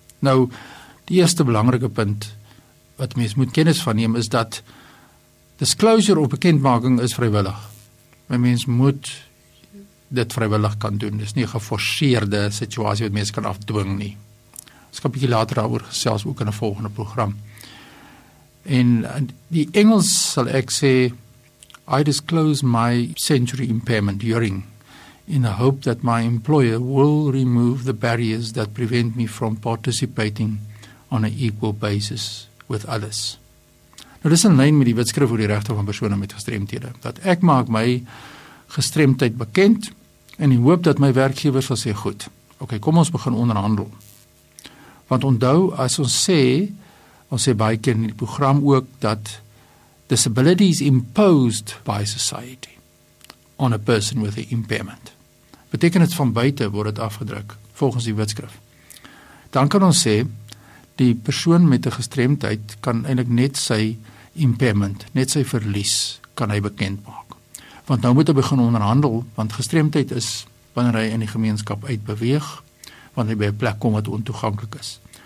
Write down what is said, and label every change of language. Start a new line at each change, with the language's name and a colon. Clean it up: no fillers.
Afrikaans: Nou, die eerste belangrike punt wat mense moet kennis van neem is dat disclosure of bekendmaking is vrywillig. My mens moet dit vrywillig kan doen. Dit is nie geforceerde situasie wat mense kan afdwing nie. Ons kan bietjie later daaroor gesels ook in 'n volgende program. En die Engels sal ek sê,
English: I disclose my sensory impairment hearing in the hope that my employer will remove the barriers that prevent me from participating on an equal basis with others.
Afrikaans: Nou, dit is in lyn met die wetskrif oor die regte van persone met gestremthede, dat ek maak my gestremdheid bekend en die hoop dat my werkgewers sal sê, goed, ok, kom ons begin onderhandel. Want onthou, as ons sê baie keer in die program ook, dat
English: disability is imposed by society on a person with an impairment.
Afrikaans: Beteken het van buiten word het afgedruk, volgens die wetskrif. Dan kan ons sê, die persoon met die gestremdheid kan eintlik net sy impairment, net sy verlies, kan hy bekend maak. Want nou moet hy begin onderhandel, want gestremdheid is wanneer hy in die gemeenskap uitbeweeg, wanneer hy by 'n plek kom wat ontoeganklik is.